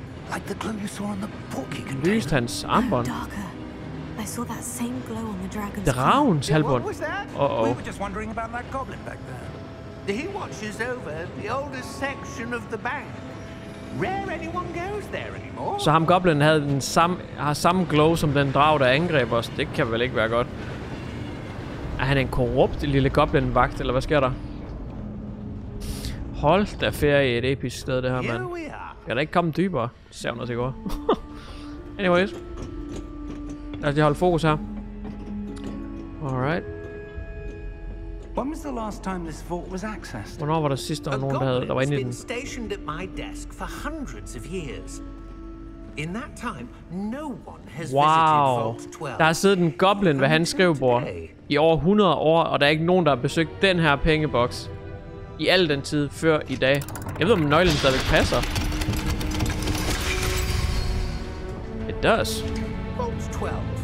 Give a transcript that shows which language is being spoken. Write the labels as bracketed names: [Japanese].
[English] like the glow you saw on the porky container. [Danish] Lyste hans armbånd. [English] I saw that same glow on the dragon's [Danish] Dragons halbånd. [English] We were just wondering about that goblin back there. He watches over the oldest section of the bank. Rare anyone goes there anymore. [Danish] Så ham goblin havde den samme glow som den drag, der angreb os. Det kan vel ikke være godt. Er han en korrupt lille goblin vagt eller hvad sker der? Hold da ferie, et episk sted det her, mand. Kan der ikke komme dybere? Savner sig godt. Anyways. Lad os lige holde fokus her. Alright. [English] When was the last time this vault was accessed? [Danish] Hvornår var der sidst, der var nogen, der var inde i den? [English] Been stationed at my desk for hundreds of years. In that time, no one has visited Vault 12. [Danish] Der har siddet en goblin ved hans skrivebord i over 100 år, og der er ikke nogen, der har besøgt den her pengeboks i al den tid før i dag. Jeg ved, om nøglen stadig passer. [English] It does. Vault 12.